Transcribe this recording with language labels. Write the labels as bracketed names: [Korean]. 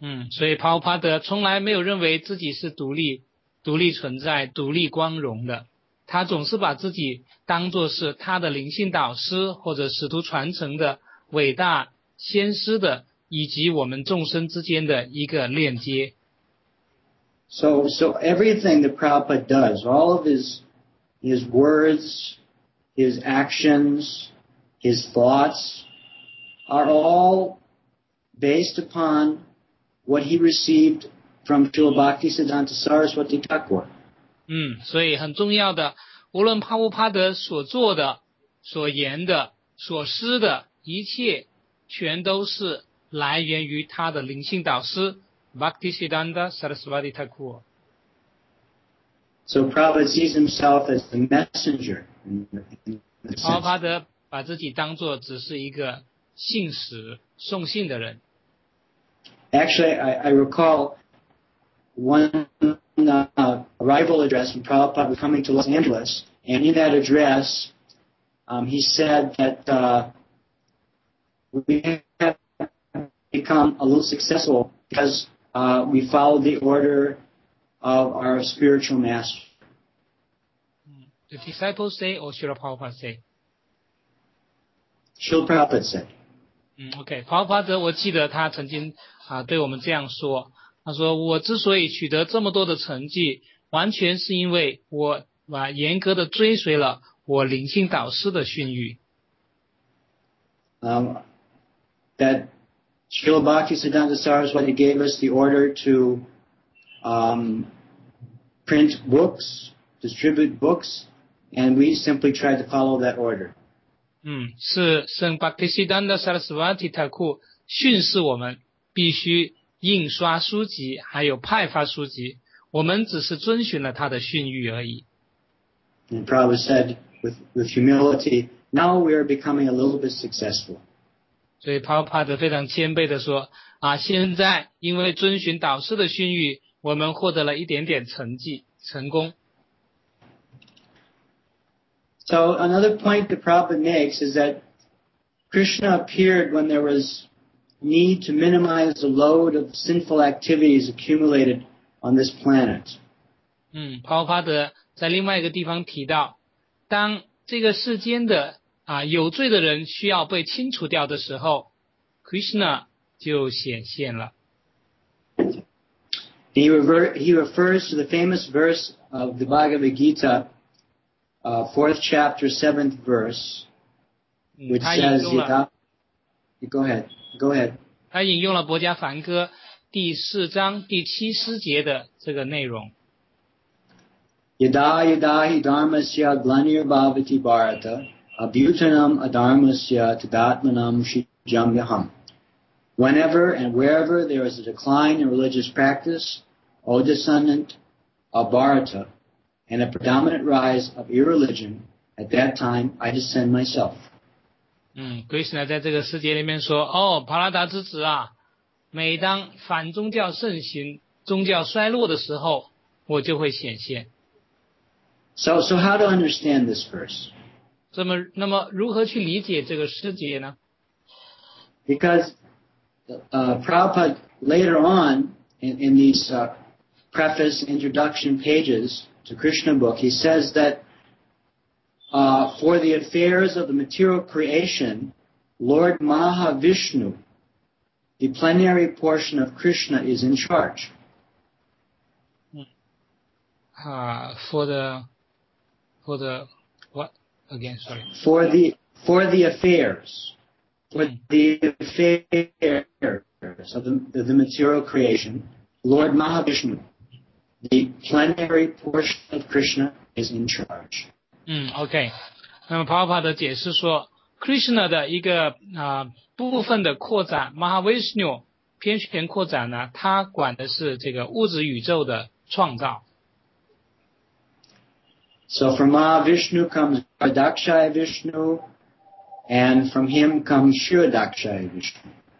[Chinese] 所以帕乌帕德从来没有认为自己是独立。独立存在独立光荣的他总是把自己当作是他的灵性导师或者使徒传承的伟大先师的以及我们众生之间的一个链接 [English] So everything that Prabhupada does all of his words his actions his thoughts are all based upon what he recedFrom Srila Bhakti Siddhanta Saraswati Thakur. [Chinese] 所以很重要的，无论帕乌帕德所做的、所言的、所思的一切，全都是来源于他的灵性导师 Bhakti Siddhanta Saraswati Thakur. [English] So Prabhupada sees himself as the messenger. [Chinese] 帕乌帕德把自己当作只是一个信使、送信的人。 [English] Actually, I recall. One arrival address when Prabhupada was coming to Los Angeles, and in that address, he said that we have become a little successful because we followed the order of our spiritual master. The disciples say or Srila Prabhupada say? Srila Prabhupada said. [Chinese] Okay, Prabhupada, 我记得他曾经对我们这样说。他说我之所以取得这么多的成绩完全是因为我严格的追随了我灵性导师的训谕。 [English] That Srila Bhakti Siddhanta Saraswati gave us the order to print books, distribute books, and we simply tried to follow that order. [Chinese] 是圣 Bhakti Siddhanta Saraswati Thakur 训示我们必须印刷书籍还有派发书籍我们只是遵循了他的训谕而已 [English] And Prabhupada said with humility Now we are becoming a little bit successful [Chinese] 所以 Prabhupada 非常谦卑地说啊，现在因为遵循导师的训谕我们获得了一点点成绩成功 [English] So another point that Prabhupada makes is that Krishna appeared when there wasneed to minimize the load of sinful activities accumulated on this planet. [Chinese] 帕乌帕德在另外一个地方提到当这个世间的有罪的人需要被清除掉的时候 Krishna 就显现了。 [English] He refers to the famous verse of the Bhagavad Gita, fourth chapter, seventh verse, which says, go ahead. [Chinese] 他引用了博迦梵歌第四章第七诗节的这个内容 [Sanskrit] Yada yada hi dharmasya glanir bhavati bharata abhyutanam adharmasya tadatmanam shijamyaham [English] Whenever and wherever there is a decline in religious practice O descendant of bharata and a predominant rise of irreligion at that time I descend myself [Chinese] Krishna 在这个世界里面说哦帕拉达之子啊每当反宗教盛行宗教衰落的时候我就会显现。 [English] So how to understand this verse? [Chinese] 那么如何去理解这个诗节呢 [English] Because Prabhupada later on in these preface introduction pages to Krishna book, he says thatfor the affairs of the material creation, Lord Mahavishnu, the plenary portion of Krishna is in charge. For the what? Again, sorry. For the affairs. with the affairs of the material creation, Lord Mahavishnu, the plenary portion of Krishna, is in charge. OK. [Chinese] 那么 Prabhupada 的解释说 ,Krishna 的一个部分的扩展 ,Mahavishnu, 偏旋扩展呢，他管的是这个物质宇宙的创造。 [English] So from Mahavishnu comes Pradakshaya Vishnu, and from him comes Shiradakshaya Vishnu.